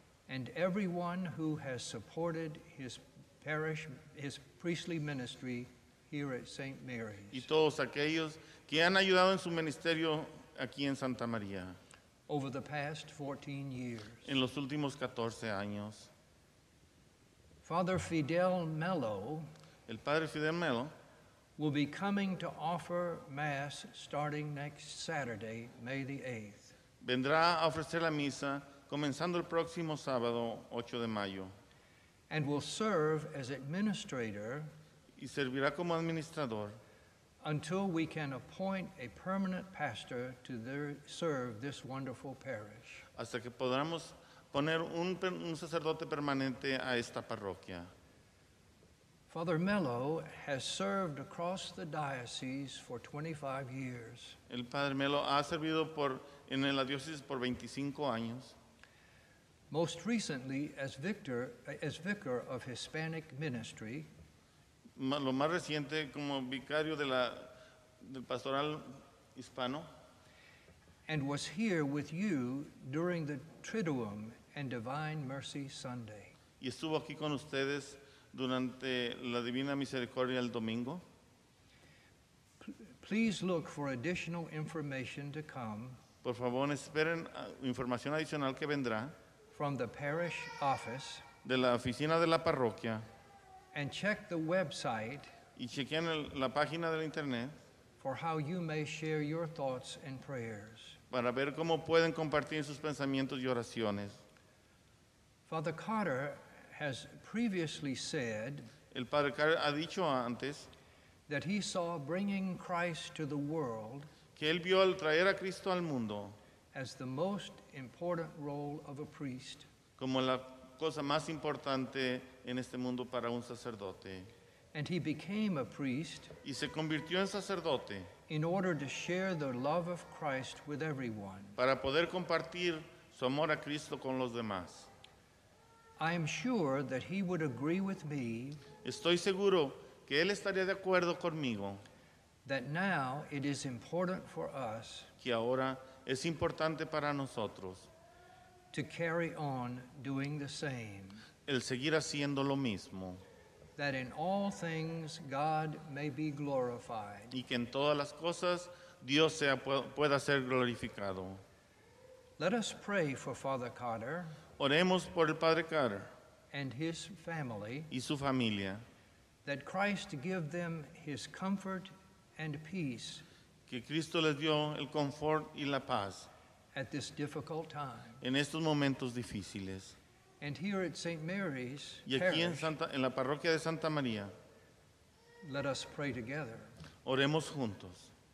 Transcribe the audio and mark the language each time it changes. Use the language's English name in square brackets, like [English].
[English] and everyone who has supported his parish, his priestly ministry here at St. Mary's. [Spanish] Y todos aquellos que han ayudado en su ministerio aquí en Santa María. [English] Over the past 14 years. [Spanish] En los últimos 14 años. [English] Father Fidel Mello, [Spanish] el padre Fidel Mello, [English] will be coming to offer mass starting next Saturday, May the 8th. [Spanish] Vendrá a ofrecer la misa comenzando el próximo sábado, 8 de mayo. [English] And will serve as administrator, [Spanish] y servirá como administrador, [English] until we can appoint a permanent pastor to serve this wonderful parish. [Spanish] Hasta que podamos poner un sacerdote permanente a esta parroquia. [English] Father Mello has served across the diocese for 25 years. [Spanish] El padre Mello ha servido en la diócesis por 25 años. [English] Most recently as vicar of Hispanic ministry. [Spanish] Lo más reciente como vicario del pastoral hispano. [English] And was here with you during the Triduum and Divine Mercy Sunday. [Spanish] Y estuvo aquí con ustedes durante la Divina Misericordia el domingo. [English] Please look for additional information to come. [Spanish] Por favor, esperen información adicional que vendrá. [English] From the parish office. [Spanish] De la oficina de la parroquia. [English] And check the website, [Spanish] y chequen la página del internet, [English] for how you may share your thoughts and prayers, [Spanish] para ver cómo pueden compartir sus pensamientos y oraciones. [English] Father Carter has previously said, [Spanish] El padre Carr ha dicho antes [English] that he saw bringing Christ to the world [Spanish] que él vio al traer a Cristo al mundo [English] as the most important role of a priest, [Spanish] como la cosa más importante en este mundo para un sacerdote. [English] And he became a priest [Spanish] y se convirtió en sacerdote [English] in order to share the love of Christ with everyone. [Spanish] Para poder compartir su amor a Cristo con los demás. [English] I am sure that he would agree with me. [Spanish] Estoy seguro que él estaría de acuerdo conmigo. [English] That now it is important for us. [Spanish] Que ahora es importante para nosotros. [English] To carry on doing the same. [Spanish] El seguir haciendo lo mismo. [English] That in all things God may be glorified. [Spanish] Y que en todas las cosas Dios sea pueda ser glorificado. [English] Let us pray for Father Carter. [Spanish] Oremos por el Padre Carter. [English] And his family. [Spanish] Y su familia. [English] That Christ give them his comfort and peace. [Spanish] Que Cristo les dio el confort y la paz. [English] At this difficult time. [Spanish] En estos momentos difíciles. [English] And here at St. Mary's [Spanish] y aquí en Santa, en la parroquia de Santa María. [English] Let us pray together. [Spanish] Oremos juntos.